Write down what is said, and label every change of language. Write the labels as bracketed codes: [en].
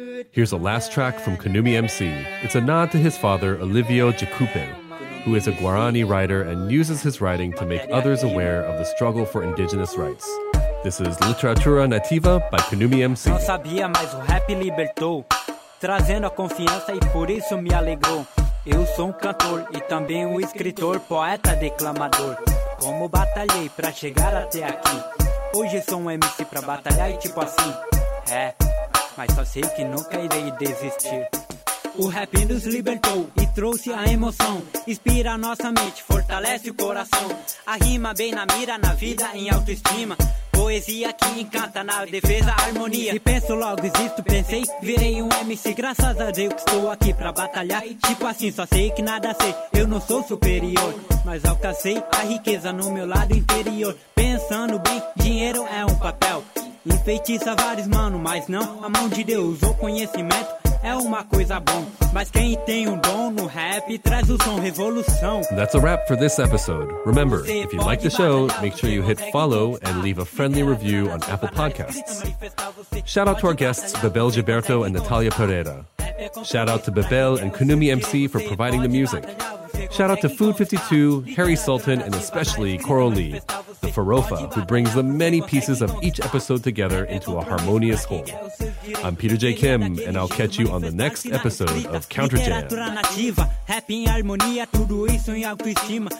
[en] Here's a last track from Kanumi MC. It's a nod to his father, Olivio Jacupe, who is a Guarani writer and uses his writing to make others aware of the struggle for indigenous rights. This is Literatura Nativa by Kanumi MC. [pt] Não sabia, mas o rap libertou, trazendo a confiança e por isso me alegrou. Eu sou cantor e também escritor, poeta, declamador. Como batalhei pra chegar até aqui. Hoje sou MC pra batalhar e tipo assim. É, mas só sei que nunca irei desistir. O rap nos libertou e trouxe a emoção. Inspira a nossa mente, fortalece o coração. A rima bem na mira, na vida em autoestima. Poesia que encanta na defesa, harmonia. E penso logo, existo, pensei, virei um MC. Graças a Deus que estou aqui pra batalhar. Tipo assim, só sei que nada sei, eu não sou superior. Mas alcancei a riqueza no meu lado interior. Pensando bem, dinheiro é um papel. Enfeitiça vários mano, mas não a mão de Deus. O conhecimento é uma coisa bom. Mas quem tem dom no rap traz o som, revolução. [en] That's a wrap for this episode. Remember, if you like the show, make sure you hit follow and leave a friendly review on Apple Podcasts. Shout out to our guests, Bebel Gilberto and Natalia Pereira. Shout out to Bebel and Kanumi MC for providing the music. Shout out to Food 52, Harry Sultan, and especially Coral Lee, the Farofa, who brings the many pieces of each episode together into a harmonious whole. I'm Peter J. Kim, and I'll catch you on the next episode of Counter Jam. [pt] Literatura nativa, rap em harmonia, tudo isso em autoestima.